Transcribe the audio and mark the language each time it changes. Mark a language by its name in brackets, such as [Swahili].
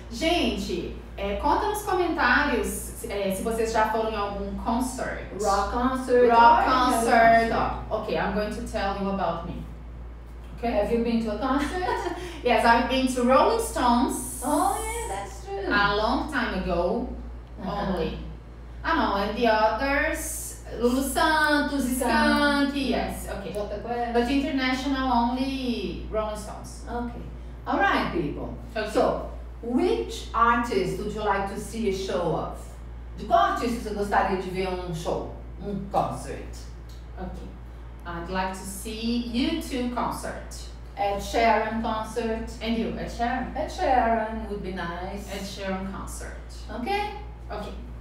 [Portuguese] Gente, conta nos comentários se vocês já foram em algum concert. [English] Rock concert. Ok, I'm going to tell you about me. Okay, have you been to a concert? Yes, I've been to Rolling Stones. Oh, yeah, that's true. A long time ago, only. [Portuguese] Ah, não, [English] and the others, Lulu Santos, Skank, yes, okay. But international only, Rolling Stones. Okay. All right, people. Okay. So, which artist would you like to see a show of? [Portuguese] De qual artista você gostaria de ver um show, um concert? [English] Okay. I'd like to see you two concert. Ed Sheeran concert. And you, Ed Sheeran. Ed Sheeran would be nice. Ed Sheeran concert. Okay? Okay.